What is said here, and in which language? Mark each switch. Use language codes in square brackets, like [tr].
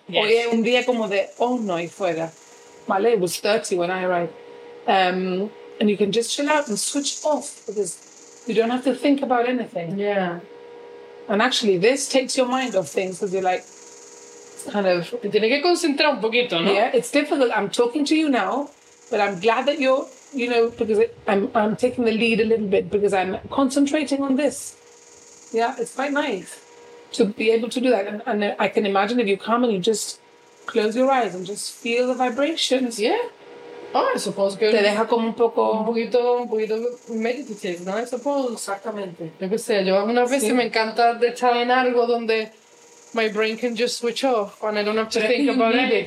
[es] hoy es un día como de, oh no, y fuera. [en] Vale, it was 30 when I arrived. And you can just chill out and switch off because you don't have to think about anything. Yeah. And actually, this takes your mind off things because you're like, kind of. [es] Te tiene que concentrar un poquito, ¿no? [en] Yeah, it's difficult. I'm talking to you now, but I'm glad that you're, because I'm taking the lead a little bit because I'm concentrating on this. Yeah, it's quite nice to be able to do that. And I can imagine if you come and you just close your eyes and just feel the vibrations. Yeah. Oh, I suppose [es] que... Te deja como un poquito [en] meditative, ¿no? I suppose. [es] Exactamente. Yo qué sé, yo una vez sí. Me encanta de estar en algo donde... [en] My brain can just switch off and I don't have to think about anything.